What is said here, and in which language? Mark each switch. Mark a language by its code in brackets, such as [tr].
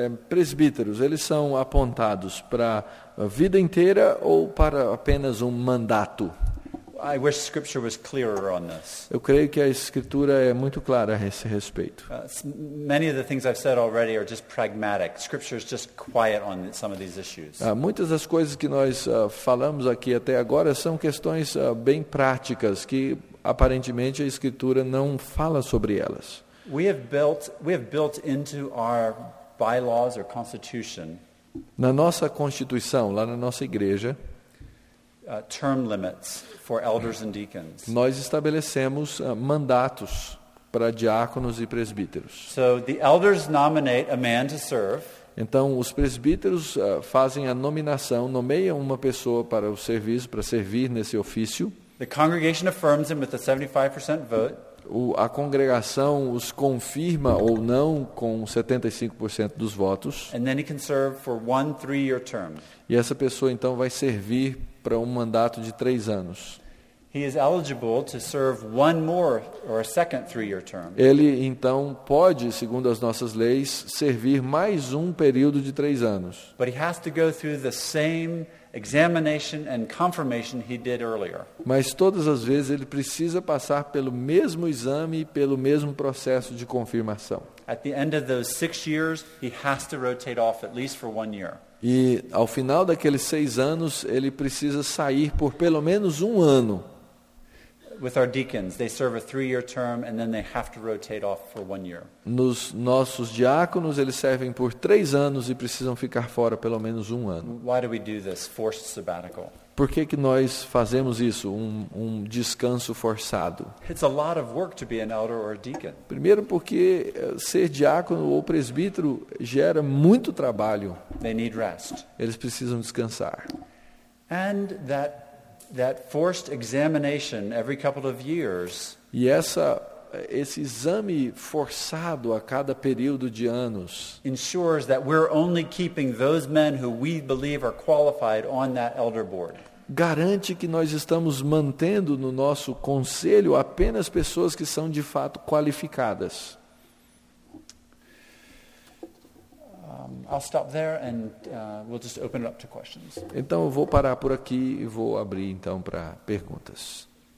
[pt] Presbíteros, eles são apontados para a vida inteira ou para apenas um mandato? [en] I wish scripture was clearer on this. [pt] Eu creio que a escritura é muito clara a esse respeito. [en] Many of the things I've said already are just pragmatic. Scripture is just quiet on some of these issues. [pt] Muitas das coisas que nós falamos aqui até agora são questões bem práticas que aparentemente a escritura não fala sobre elas. [en] We have built into our bylaws or constitution. [pt] Na nossa constituição, lá na nossa igreja, [en] Term limits for elders and deacons. [pt] Nós estabelecemos mandatos para diáconos e presbíteros. [en] So the elders nominate a man to serve. [pt] Então os presbíteros fazem a nomeação, nomeiam uma pessoa para o serviço, para servir nesse ofício. [en] The congregation affirms him with a 75% vote. [pt] A congregação os confirma ou não com 75% dos votos. [en] And then he can serve for 1 3-year term. [pt] E essa pessoa então vai servir para um mandato de 3 anos. [en] He is eligible to serve one more or a second 3-year term. [pt] Ele então pode, segundo as nossas leis, servir mais um período de 3 anos. [en] But he has to go through the same examination and confirmation he did earlier. [pt] Mas todas as vezes ele precisa passar pelo mesmo exame e pelo mesmo processo de confirmação. [en] At the end of those 6 years, he has to rotate off at least for 1 year. [pt] E ao final daqueles 6 anos, ele precisa sair por pelo menos 1 ano. [en] With our deacons, they serve a 3-year term and then they have to rotate off for 1 year. [pt] Nos nossos diáconos, eles servem por 3 anos e precisam ficar fora pelo menos 1 ano. [en] Why do we do this forced sabbatical? [pt] Por que que nós fazemos isso, um descanso forçado? [en] It's a lot of work to be an elder or a deacon. [pt] Primeiro porque ser diácono ou presbítero gera muito trabalho. [en] They need rest. [pt] Eles precisam descansar. [en] And that forced examination every couple of years. [pt] E esse exame forçado a cada período de anos [en] ensures that we're only keeping those men who we believe are qualified on that elder board. [pt] Garante que nós estamos mantendo no nosso conselho apenas pessoas que são de fato qualificadas. [en] I'll stop there and we'll just open it up to questions. [pt] Então eu vou parar por aqui e vou abrir então para perguntas.